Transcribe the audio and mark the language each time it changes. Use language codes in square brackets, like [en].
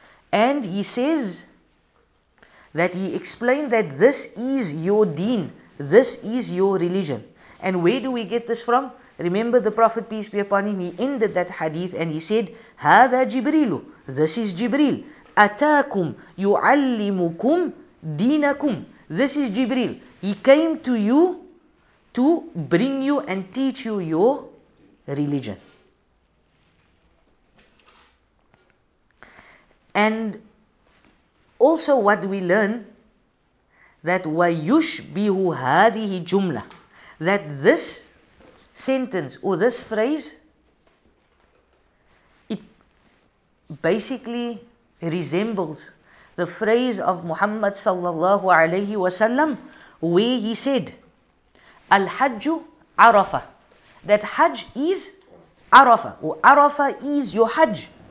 [en] And he says that he explained that this is your deen, this is your religion. And where do we get this from? Remember the Prophet, peace be upon him, he ended that hadith and he said, [ar] هذا جبريل, [en] this is Jibril. [ar] أتاكم يعلمكم دينكم, [en] this is Jibril. He came to you to bring you and teach you your religion. And also what we learn, that [ar] وَيُشْبِهُ هَذِهِ جُمْلَةً, [en] that this sentence or this phrase, it basically resembles the phrase of Muhammad sallallahu alayhi wasallam, where he said, Al-Hajju Arafah, that Hajj is Arafah, or Arafah is your Hajj.